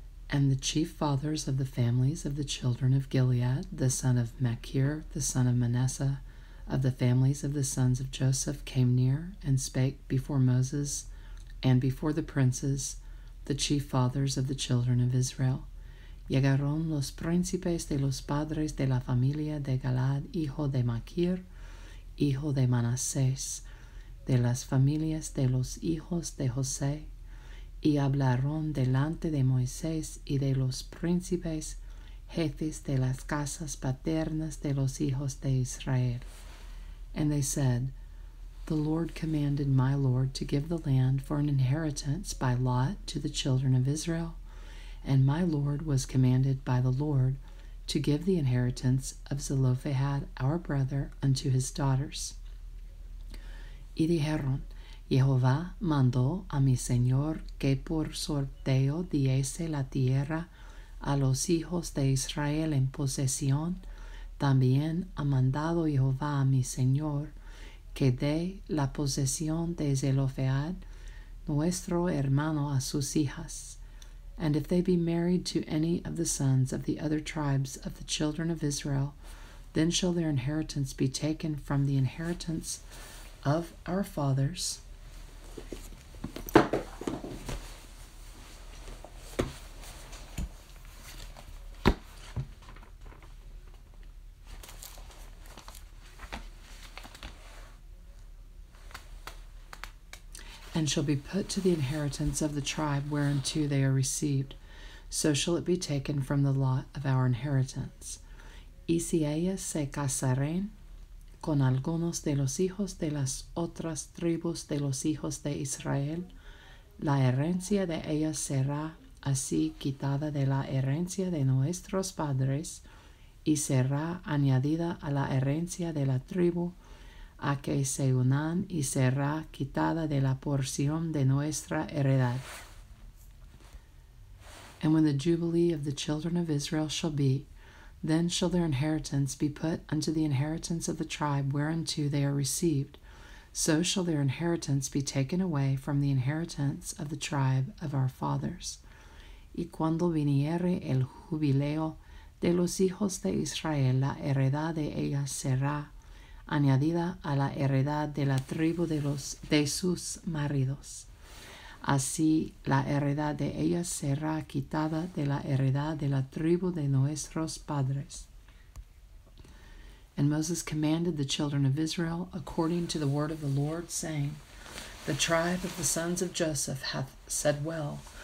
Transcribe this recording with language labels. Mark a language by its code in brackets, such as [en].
[en] And the chief fathers of the families of the children of Gilead, the son of Machir, the son of Manasseh, of the families of the sons of Joseph, came near and spake before Moses and before the princes, the chief fathers of the children of Israel. [es] Llegaron los príncipes de los padres de la familia de Galaad, hijo de Machir, hijo de Manasés, de las familias de los hijos de José, y hablaron delante de Moisés y de los príncipes, jefes de las casas paternas de los hijos de Israel. [en] And they said, "The Lord commanded my Lord to give the land for an inheritance by lot to the children of Israel, and my Lord was commanded by the Lord to give the inheritance of Zelophehad our brother unto his daughters." [es] Y dijeron, Jehová mandó a mi señor que por sorteo diese la tierra a los hijos de Israel en posesión. También ha mandado Jehová a mi señor que dé la posesión de Zelofehad, nuestro hermano, a sus hijas. [en] And if they be married to any of the sons of the other tribes of the children of Israel, then shall their inheritance be taken from the inheritance of our fathers, and shall be put to the inheritance of the tribe whereunto they are received, so shall it be taken from the lot of our inheritance. [es] Y si ellas se casaren con algunos de los hijos de las otras tribus de los hijos de Israel, la herencia de ellas será así quitada de la herencia de nuestros padres y será añadida a la herencia de la tribu a que se unan y será quitada de la porción de nuestra heredad. [en] And when the jubilee of the children of Israel shall be, then shall their inheritance be put unto the inheritance of the tribe whereunto they are received. So shall their inheritance be taken away from the inheritance of the tribe of our fathers. [es] Y cuando viniere el jubileo de los hijos de Israel, la heredad de ellas será añadida a la heredad de la tribu de sus maridos. Así, la heredad de ellas será quitada de la heredad de la tribu de nuestros padres. [en] And Moses commanded the children of Israel according to the word of the Lord, saying, "The tribe of the sons of Joseph hath said well."